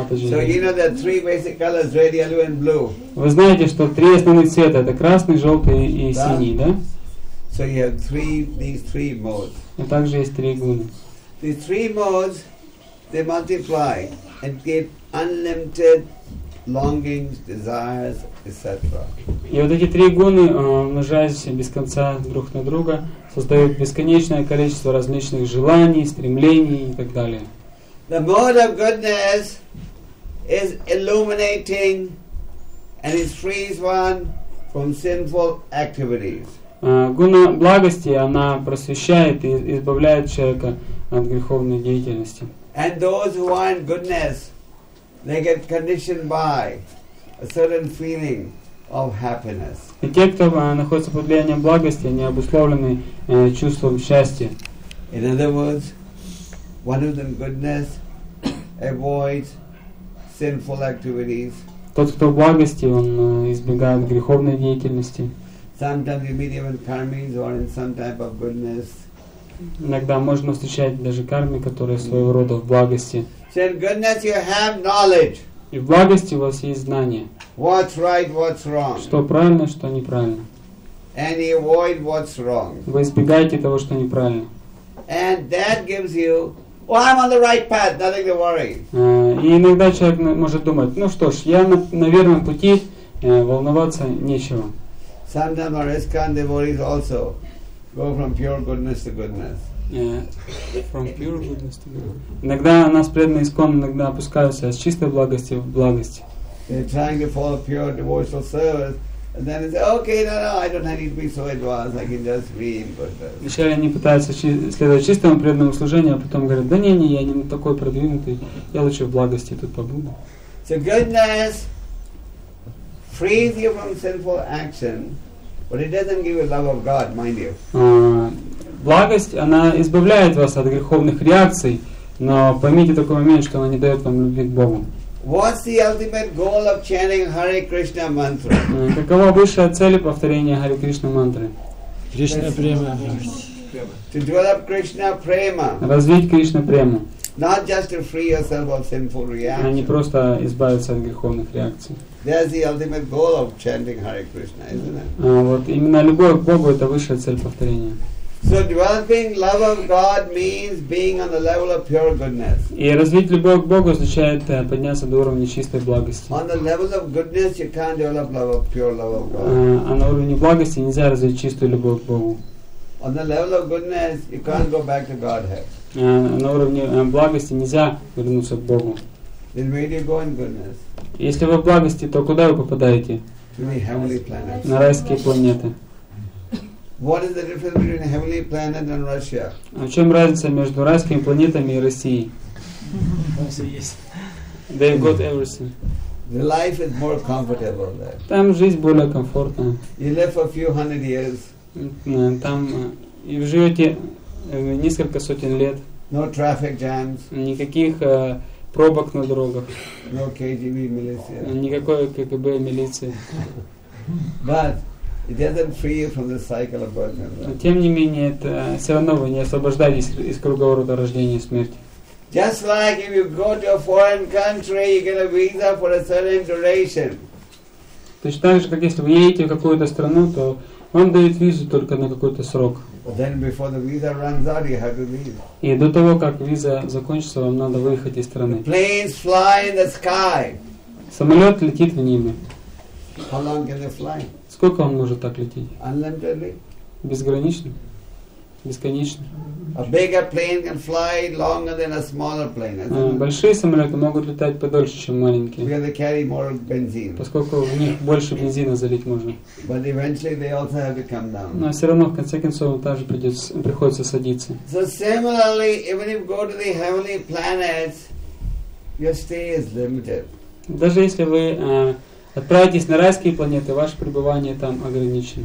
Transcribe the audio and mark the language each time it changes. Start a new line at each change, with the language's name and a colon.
English: So you know there are three basic colors: red, yellow, and blue.
Russian: Вы знаете, что три основных цвета — это красный, желтый и синий, да?
English: So you have these three modes.
Russian: И также есть три гуны.
English: These three modes, they multiply and give unlimited longings, desires, etc.
Russian: И вот эти три гуны, умножаясь без конца друг на друга, создают бесконечное количество различных желаний, стремлений и так далее.
English: The mode of goodness is illuminating and it frees one from sinful activities.
Russian: Гуна благости, она просвещает и избавляет человека от греховной деятельности.
English: And those who are in goodness, they get conditioned by a certain feeling of happiness.
Russian: И те, кто находится под влиянием благости, они обусловлены чувством счастья.
English: In other words, one who is in goodness avoids sinful activities.
Russian: Тот, кто в благости, он избегает греховной деятельности.
English: Sometimes you meet even karmis or in some type of goodness.
Russian: Иногда можно встречать даже карми, которые своего рода в благости.
English: So in goodness you have knowledge.
Russian: И в благости у вас есть знание.
English: What's right, what's wrong.
Russian: Что правильно, что неправильно.
English: And you avoid what's wrong.
Russian: Вы избегаете того, что неправильно.
English: And that gives you, well, I'm on the right path, nothing to worry.
Russian: И иногда человек может думать, ну что ж, я на верном пути, волноваться нечего.
English: Sometimes our ISKCON devotees also go from pure goodness to goodness. Yeah, from pure goodness to goodness.
Russian: Иногда нас преданные ИСККОН иногда опускаются с чистой благости в благость.
English: They're trying to follow pure devotional service, and then they say, okay, no, I don't need to be so advanced, I can just be in goodness.
Russian: Вначале они пытаются следовать чистому преданному служению, а потом говорят, да не, я не такой продвинутый, я лучше в благости тут побуду.
English: So goodness frees you from sinful action, but it doesn't give you love of God, mind you.
Russian: Благость, она избавляет вас от греховных реакций, но поймите такой момент, что она не дает вам любви к Богу.
English: What's the ultimate goal of chanting Hare Krishna mantra?
Russian: Какова высшая цель повторения
English: Hare Krishna mantra? Krishna prema. To develop Krishna prema.
Russian: Развить Кришна прему.
English: Not just to free yourself of sinful reactions.
Russian: Не просто избавиться от греховных реакций.
English: That's the ultimate goal of chanting Hare Krishna, isn't it?
Russian: Вот именно любовь к Богу — это высшая цель повторения.
English: So developing love of God means being on the level of pure goodness.
Russian: И развить любовь к Богу означает подняться до уровня чистой благости.
English: On the level of goodness, you can't develop love of pure love of God.
Russian: А на уровне благости нельзя развить чистую любовь к Богу.
English: On the level of goodness, you can't go back to Godhead.
Russian: на уровне благости нельзя вернуться к Богу.
English: Then where do you go in goodness?
Russian: Если вы в благости, то куда вы попадаете? На райские планеты.
English: What is the difference between heavenly planet and Russia?
Russian: А в чем разница между райскими планетами и Россией?
English: They've got everything. The life is more comfortable there.
Russian: Там жизнь более комфортная.
English: You live for a few hundred years.
Russian: Там и живете несколько сотен лет.
English: No traffic jams.
Russian: Никаких пробок на дорогах.
English: No KGB милиция.
Russian: Никакой КГБ милиции.
English: But it doesn't free you from the cycle of birth.
Russian: Но тем не менее, это все равно вы не освобождаетесь из круговорота рождения и смерти.
English: Just like if you go to a foreign country, you get a visa for a certain duration.
Russian: Точно так же, как если вы едете в какую-то страну, то вам дают визу только на какой-то срок.
English: Then before the visa runs out, you have to leave.
Russian: И до того, как виза закончится, вам надо выехать из страны.
English: The planes fly in the sky.
Russian: Самолет летит в небе.
English: How long can they fly?
Russian: Сколько он может так лететь?
English: Unlimitedly.
Russian: Безгранично. Бесконечно.
English: A bigger plane can fly longer than a smaller plane.
Russian: Большие самолеты могут летать подольше, чем маленькие.
English: Because they carry more benzene.
Russian: Поскольку в них больше бензина залить можно.
English: But eventually they also have to come down.
Russian: Но все равно в конце концов также приходится садиться.
English: So similarly, even if you go to the heavenly planets, your stay is limited.
Russian: Даже если вы отправитесь на райские планеты, ваше пребывание там ограничено.